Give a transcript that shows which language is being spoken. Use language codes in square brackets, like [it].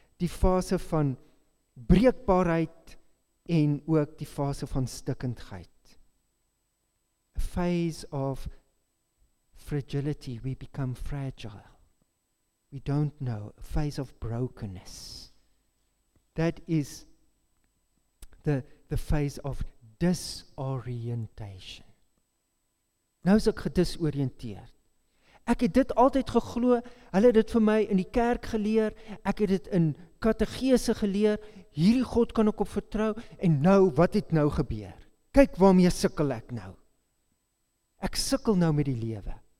[af] Die fase van breekbaarheid en ook die fase van stikkendheid. [en] A phase of fragility, we become fragile. We don't know, a phase of brokenness. That is the phase of disorientation. [af] Nou is ek gedisoriënteerd. Ek het dit altyd geglo, hulle het dit vir my in die kerk geleer, ek het dit in katechese geleer, hierdie God kan ek op vertrou, en nou, wat het nou gebeur? Kyk waarmee sukkel ek nou. Ek sukkel nou met die lewe.